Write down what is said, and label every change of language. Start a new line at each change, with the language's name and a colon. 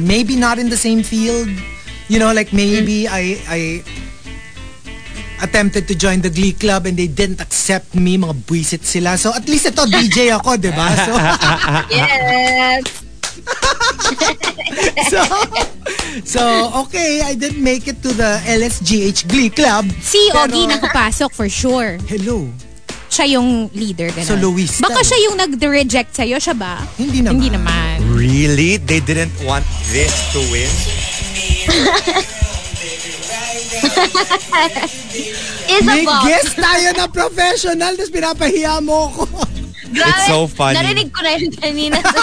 English: Maybe not in the same field. You know, like maybe I attempted to join the Glee Club and they didn't accept me.
Filipino: Mga buisit sila. So at least ito, DJ ako, di ba? So,
English: yes. So okay, I didn't make it to the LSGH Glee Club.
Filipino: Si Ogie nakapasok for sure.
English: Hello.
Filipino: Siya yung leader. Ganun.
English: So Luis.
Filipino: Baka siya yung nag-reject sa'yo, siya ba? Hindi naman. Hindi naman.
English: Really? They didn't want this to win? Is
Filipino: may guest tayo na professional tapos pinapahiya mo ko.
English: It's so funny.
Filipino: Narinig ko na yung kanina.